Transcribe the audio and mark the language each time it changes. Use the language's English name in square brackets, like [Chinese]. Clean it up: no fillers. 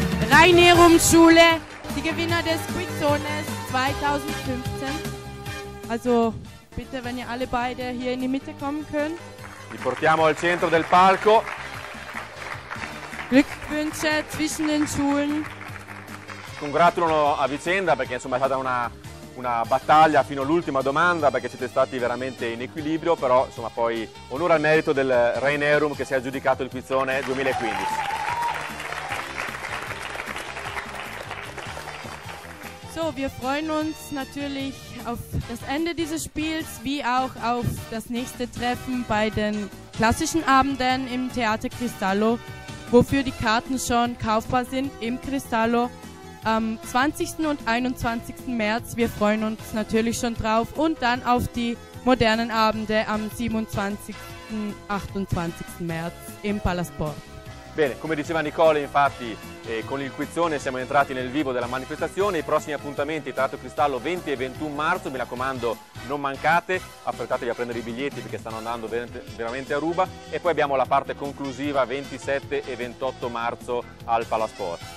[German] Rainerum Schule, die Gewinner des Quizzones 2015. Also bitte, wenn ihr alle beide hier in die Mitte kommen könnt. [Italian] Li portiamo al centro del palco. [German] Glückwünsche zwischen den Schulen. [Italian] Congratulano a vicenda, perché insomma è stata una battaglia fino all'ultima domanda, perché siete stati veramente in equilibrio, però insomma poi onore al merito del Rainerum che si è aggiudicato il Quizzone 2015. [German] So, wir freuen uns natürlich auf das Ende dieses Spiels, wie auch auf das nächste Treffen bei den klassischen Abenden im Theater Cristallo, wofür die Karten schon kaufbar sind im Cristallo am 20. und 21. März. Wir freuen uns natürlich schon drauf und dann auf die modernen Abende am 27. und 28. März im Palasport. [Italian] Bene, come diceva Nicole, infatti con il Quizzone siamo entrati nel vivo della manifestazione. I prossimi appuntamenti Teatro Cristallo 20 e 21 marzo, mi raccomando non mancate, affrettatevi a prendere i biglietti perché stanno andando veramente a ruba, e poi abbiamo la parte conclusiva 27 e 28 marzo al Palasport.